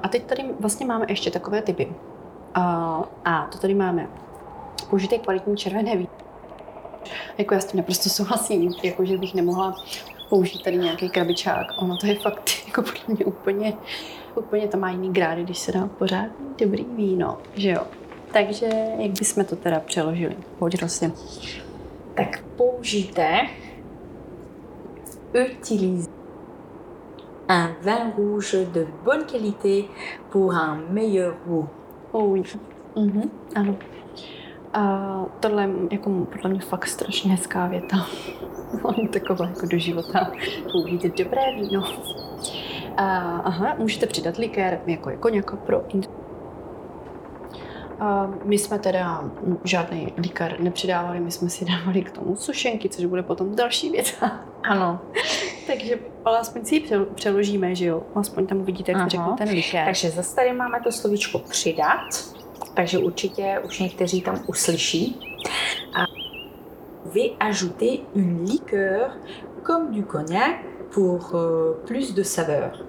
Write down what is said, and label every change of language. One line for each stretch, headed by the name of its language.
Czech: A teď tady vlastně máme ještě takové typy. A to tady máme použité kvalitní červené víno. Jako já s tím naprosto souhlasím, jako že bych nemohla použít tady nějaký krabičák. Ono to je fakt, jako podle mě úplně... Úplně to má jiný grády, když se dá pořád dobrý víno, že jo? Takže jak bychom to teda přeložili? Pojď prostě. Tak použijte
French: utilise un vin rouge de bonne qualité pour un meilleur goût. Oui. Mm-hmm.
Czech: Ano. A tohle je jako podle mě fakt strašně hezká věta. Taková jako do života. Použijte dobré víno. Aha, můžete přidat likér, jako koněk pro my jsme teda žádný likér nepřidávali, my jsme si dávali k tomu sušenky, což bude potom další věc. Ano. Takže alespoň si ji přeložíme, že jo? Aspoň tam uvidíte, jak řeknu ten likér. Takže zase tady máme to slovíčko přidat, takže určitě už někteří tam uslyší.
French: Vy ajoutez une liqueur comme du cognac pour plus de saveur.